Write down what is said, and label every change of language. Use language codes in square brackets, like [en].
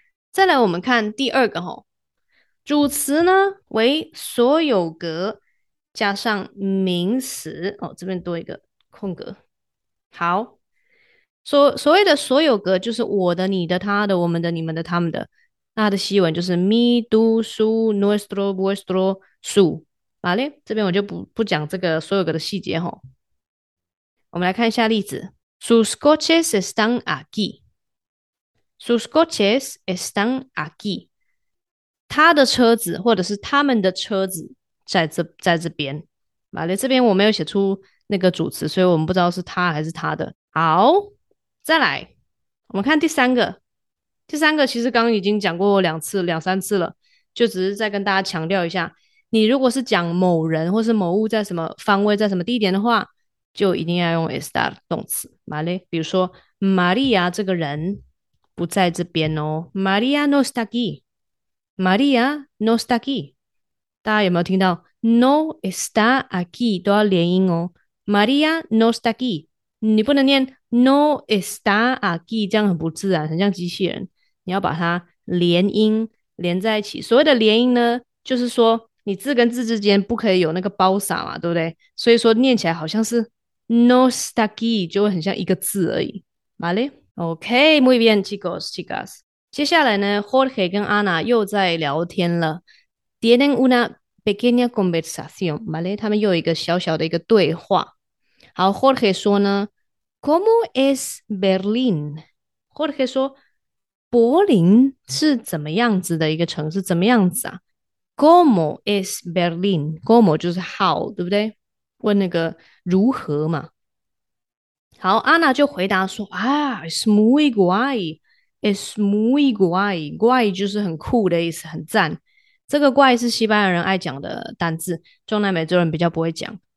[zh] 再来，我们看第二个吼。主词呢为所有格加上名词哦，这边多一个空格。好，所谓的所有格就是我的、你的、他的、我们的、你们的、他们的。那它的西文就是 mi, tu, su, nuestro, vuestro, su。好嘞，这边我就不讲这个所有格的细节哈。我们来看一下例子： [es] Sus coches están aquí. Sus coches están aquí. [zh] 他的车子，或者是他们的车子在这边，完了，这边我没有写出那个主词，所以我们不知道是他还是他的。好，再来，我们看第三个，第三个其实刚刚已经讲过两次、两三次了。就只是再跟大家强调一下，你如果是讲某人或是某物在什么方位、在什么地点的话，就一定要用 estar 动词，vale？比如说，Maria 这个人不在这边哦， [es] Maria no está aquí， [zh] Maria no está aquí。大家有没有听到 [es] no está aquí [zh] 都要连音哦，Maria no está aquí，你不能念 no está aquí，这样很不自然，很像机器人。你要把它连音连在一起。所谓的连音呢，就是说你字跟字之间不可以有那个包洒嘛，对不对？所以说念起来好像是 no está aquí，就会很像一个字而已。 [es] Vale? OK, muy bien, chicos, chicas。 [zh] 接下来呢，Jorge 跟 Ana 又在聊天了。 [es] Tienen una pequeña conversación, ¿vale? [zh] 他们又有一个小小的一个对话。好，Jorge 说呢， [es] ¿Cómo es Berlín? [zh] Jorge 说，柏林是怎么样子的一个城市？怎么样子啊？ [es] ¿Cómo es Berlín? [zh] ¿Cómo 就是 how，对不对？问那个如何嘛。好，安娜就回答说，啊， [es] es muy guay, es muy guay, [zh] guay 就是很酷的意思，很赞。这个怪是西班牙人爱讲的单字，中南美洲人比较不会讲。